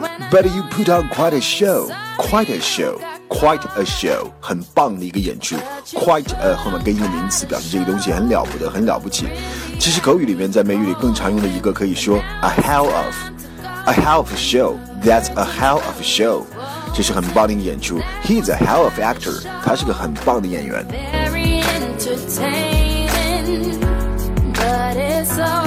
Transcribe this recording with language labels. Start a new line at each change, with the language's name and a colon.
English: But you put on quite a show， quite a show， quite a show，
Chinese: 很棒的一个演出。 Quite 后面跟一个名词表示这个东西很了不得，很了不起。其实口语里面在美语里更常用的一个可以说
English: a hell of， a hell of a show，
Chinese: that's a hell of a show， 这是很棒的一个演出。
English: He's a hell of actor，
Chinese: 他是个很棒的演员。
English: Very entertaining， but it's so